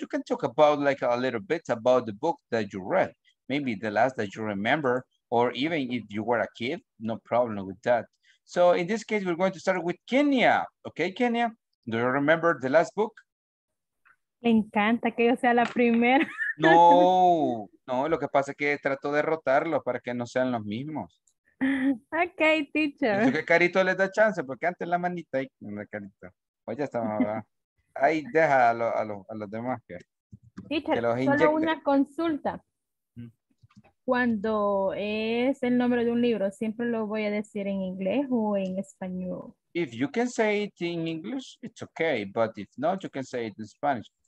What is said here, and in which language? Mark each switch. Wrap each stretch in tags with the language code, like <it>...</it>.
<en>You can talk about like a little bit about the book that you read. Maybe the last that you remember, or even if you were a kid, no problem with that. So in this case, we're going to start with Kenya. Okay, Kenya, do you remember the last book?</en> <es>Me encanta que yo sea la primera. No, lo que pasa es que trato de rotarlo para que no sean los mismos.</es> <en>Ok, teacher.</en> <es>Eso que Carito les da chance, porque antes la manita ahí, la Carita. Oye, estamos ahí, deja a los demás que teacher, que los inyecte. Solo una consulta. cuando es el nombre de un libro, siempre lo voy a decir en inglés o en español.</es> <en>If you can say it in English, it's okay. But if not, you can say it in Spanish.</en>